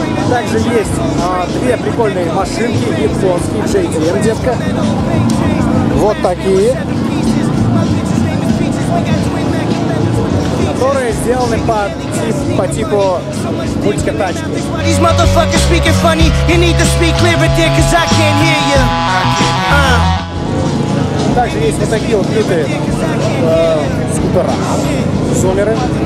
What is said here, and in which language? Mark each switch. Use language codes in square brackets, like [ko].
[ru] Также есть две прикольные машинки японские, JDM, детка. Вот такие. Которые сделаны по типу мультика тачки. [en] These motherfuckers speaking funny, you need to speak clearer, dear, cause I can't hear you. [ru] Также есть вот такие вот крутые скутера, зумеры.